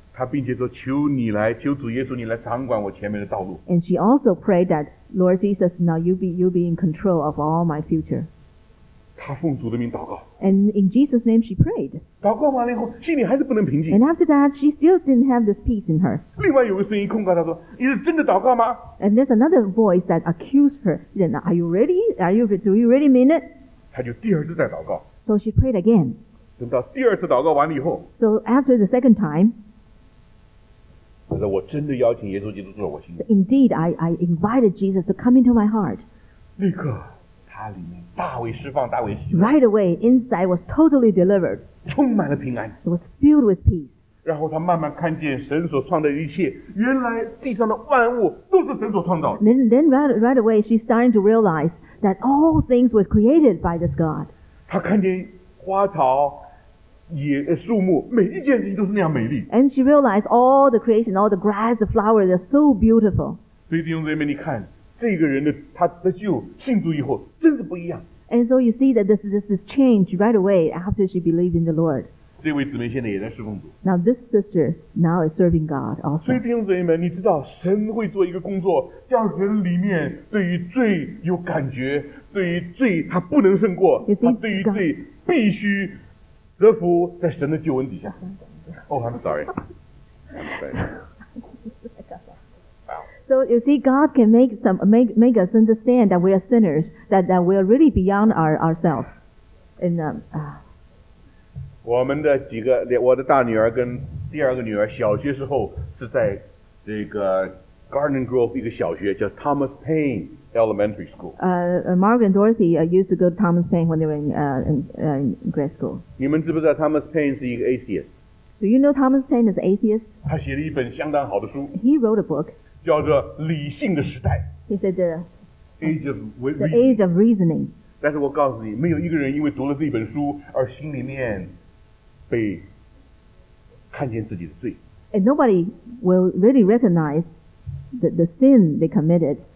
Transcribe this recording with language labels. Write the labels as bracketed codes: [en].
[zh] 他并且说求你来求主耶稣你来掌管我前面的道路。 [en] And she also prayed that Lord Jesus, now you be in control of all my future. [zh] 他奉主的名祷告。 [en] And in Jesus' name she prayed. [zh] 祷告完了以后心里还是不能平静。 [en] And after that, she still didn't have this peace in her. [zh] 另外有个声音控告她说你是真的祷告吗？ [en] And there's another voice that accused her. She said, are you ready? Do you really mean it? [zh] 她就第二次再祷告。 [en] So she prayed again. [zh] 等到第二次祷告完了以后。 [en] So after the second time, [zh] 他说我真的邀请耶稣基督做我心里。 [en] Indeed, I invited Jesus to come into my heart. [zh] 立刻他里面大为释放大为喜悦。 [en] Right away, inside was totally delivered. [zh] 充满了平安。 [en] It was filled with peace. [zh] 然后他慢慢看见神所创的一切原来地上的万物都是神所创造的。 [en] Then right away, she's starting to realize that all things were created by this God. [zh] 他看见花草树木每一件事情都是那样美丽。 [en] And she realized all the creation, all the grass, the flowers, they're so beautiful. [zh] 所以弟兄姊妹你看这个人的他的救信主以后真是不一样。 [en] And so you see that this changed right away after she believed in the Lord. [zh] 这位姊妹现在也在侍奉主。 [en] Now this sister now is serving God also. [zh] 所以弟兄姊妹你知道神会做一个工作叫人里面对于罪有感觉对于罪他不能胜过他对于罪必须折服在神的救恩底下。 [en] Oh, I'm sorry. So you see, God can make us understand that we are sinners, that we are really beyond ourselves. And, [zh] 我们的几个，我的大女儿跟第二个女儿小学时候是在这个 Garden Grove 一个小学叫 Thomas Paine Elementary School. [en] Mark and Dorothy used to go to Thomas Paine when they were in grade school. [zh] 你们知不知道 Thomas Paine 是一个 atheist? [en] Do you know Thomas Paine is an atheist? [zh] 他写了一本相当好的书。 [en] He wrote a book. [zh] 叫做《理性的时代》。 [en] He said the Age of the Age of Reasoning. [zh] 但是我告诉你，没有一个人因为读了这本书而心里面被看见自己的罪。 [en] And nobody will really recognize the sin they committed.